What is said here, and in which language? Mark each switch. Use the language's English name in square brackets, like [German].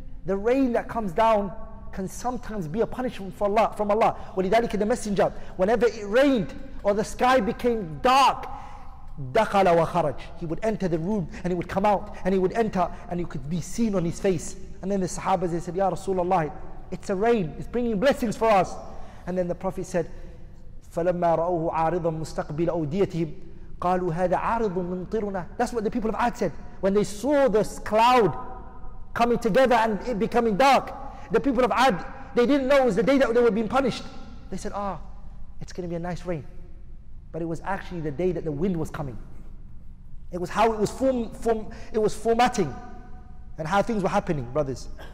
[English] The rain that comes down can sometimes be a punishment from Allah. وَلِذَلِكَ the messenger, whenever it rained or the sky became dark, [Arabic] دَخَلَ وَخَرَجْ, [English] he would enter the room and he would come out and he would enter and you could be seen on his face. And then the Sahaba, they said, Ya Rasulullah, it's a rain, it's bringing blessings for us. And then the Prophet said, [Arabic] فَلَمَّا رَأُوهُ عَارِضًا مُسْتَقْبِلَ أَوْدِيَتِهِمْ قَالُوا هَذَا عَارِضٌ مُنْطِرُنَا. [English] That's what the people of Ad said. When they saw this cloud coming together and it becoming dark, the people of Ad, they didn't know it was the day that they were being punished. They said, it's going to be a nice rain. But it was actually the day that the wind was coming. It was how it was formatting and how things were happening, brothers.